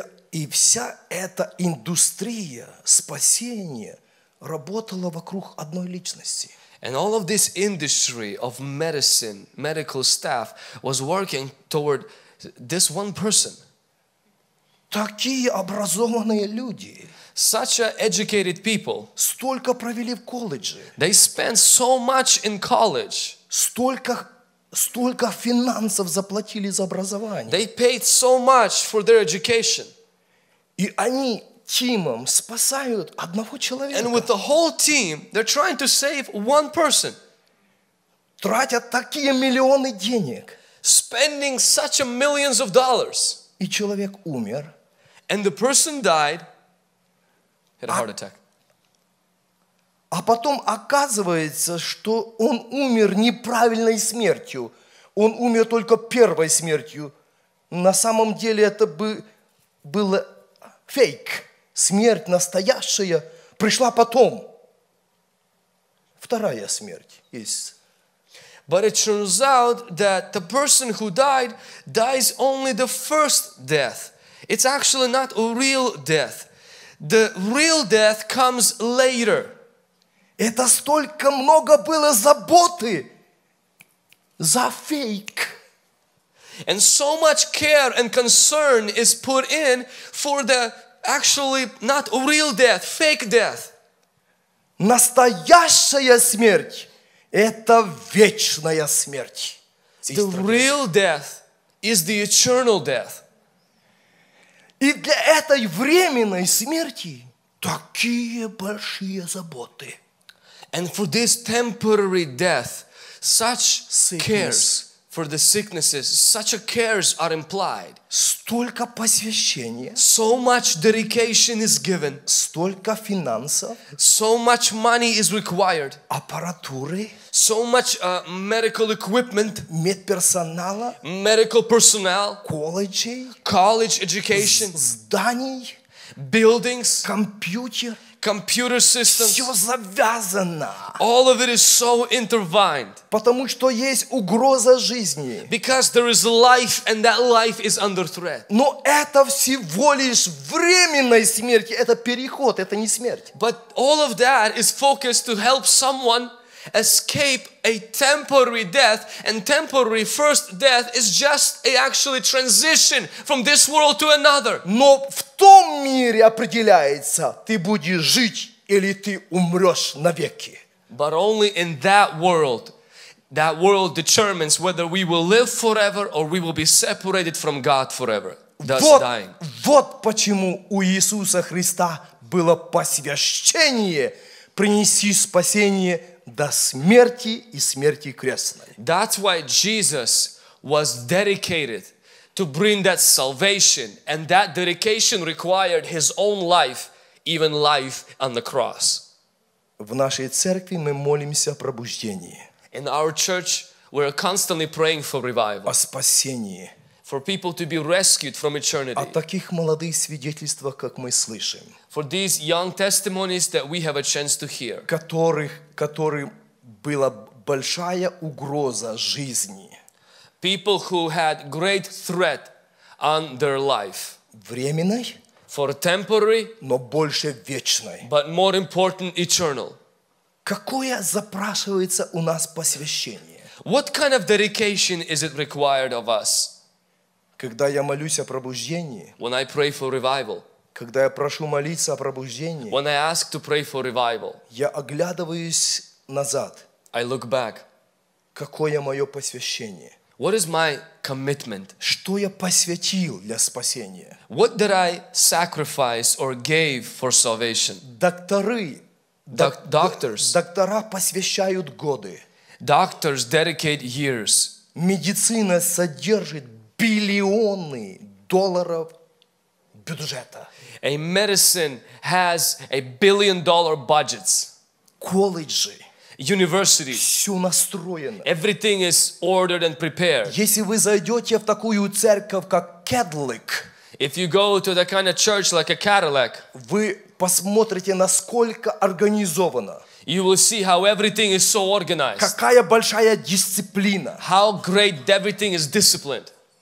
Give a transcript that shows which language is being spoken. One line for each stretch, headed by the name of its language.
Russian: И вся эта индустрия спасения работала вокруг одной личности.
English: And all of this industry of medicine, medical staff, was working toward this one person.
Russian: Такие образованные люди.
English: Such educated people.
Russian: Столько провели в колледже.
English: They spent so much in college.
Russian: Столько финансов заплатили за образование.
English: They paid so much for their education.
Russian: И они тимом спасают одного человека.
English: And with the whole team, they're trying to save one person.
Russian: Тратят такие миллионы денег.
English: Spending such millions of dollars.
Russian: И человек умер.
English: And the person died. Had a heart attack.
Russian: А потом оказывается, что он умер неправильной смертью. Он умер только первой смертью. На самом деле это было фейк. Смерть настоящая пришла потом. Вторая смерть есть.
English: But it turns out that the person who died dies only the first death. It's actually not a real death. The real death comes later.
Russian: Это столько много было заботы за фейк.
English: And so much care and concern is put in for the actually not real death, fake death.
Russian: Настоящая смерть – это вечная смерть.
English: The real death is the eternal death.
Russian: И для этой временной смерти такие большие заботы.
English: And for this temporary death, such sickness. Cares for the sicknesses, such cares are implied.
Russian: Столько посвящения.
English: So much dedication is given.
Russian: Столько финансов.
English: So much money is required.
Russian: Аппаратуры.
English: So much medical equipment.
Russian: Медперсонала.
English: Medical personnel.
Russian: Колледжи.
English: College education.
Russian: Зданий.
English: Buildings.
Russian: Компьютер.
English: Computer systems.
Russian: Все завязано.
English: All of it is so intertwined.
Russian: Потому что есть угроза жизни.
English: Because there is life and that life is under threat.
Russian: Но это всего лишь временной смерти. Это переход, это не смерть.
English: But all of that is focused to help someone escape a temporary death, and temporary first death is just a actually transition from this world to another.
Russian: Но в том мире определяется, ты будешь жить или ты умрешь навеки.
English: But only in that world determines whether we will live forever or we will be separated from God forever, thus
Russian: вот,
English: dying.
Russian: Вот почему у Иисуса Христа было посвящение принести спасение до смерти и смерти крестной.
English: That's why Jesus was dedicated to bring that salvation, and that dedication required his own life, even life on the cross.
Russian: В нашей церкви мы молимся о пробуждении.
English: In our church, we are constantly praying for revival.
Russian: О спасении.
English: For people to be rescued from eternity.
Russian: О таких молодых свидетельствах, как мы слышим.
English: For these young testimonies that we have a chance to hear.
Russian: Которым была большая угроза жизни.
English: People who had great threat on their life.
Russian: Временной.
English: For temporary.
Russian: Но больше вечной.
English: But more important, eternal.
Russian: Какое запрашивается у нас посвящение?
English: What kind of dedication is it required of us?
Russian: Когда я молюсь о пробуждении.
English: When I pray for revival.
Russian: Когда я прошу молиться о пробуждении,
English: when I ask to pray for revival,
Russian: я оглядываюсь назад.
English: I look back.
Russian: Какое мое посвящение?
English: What is my commitment?
Russian: Что я посвятил для спасения?
English: What did I sacrifice or gave for salvation?
Russian: Докторы,
English: doctors,
Russian: доктора посвящают годы.
English: Doctors dedicate years.
Russian: Медицина содержит биллионы долларов бюджета.
English: A medicine has a billion-dollar budgets.
Russian: Колледжи.
English: University.
Russian: Все настроено.
English: Everything is ordered and prepared.
Russian: Если вы зайдете в такую церковь, как Cadillac,
English: if you go to that kind of church like a Cadillac,
Russian: вы посмотрите, насколько организовано.
English: You will see how everything is so organized.
Russian: Какая большая дисциплина.
English: How great everything is disciplined.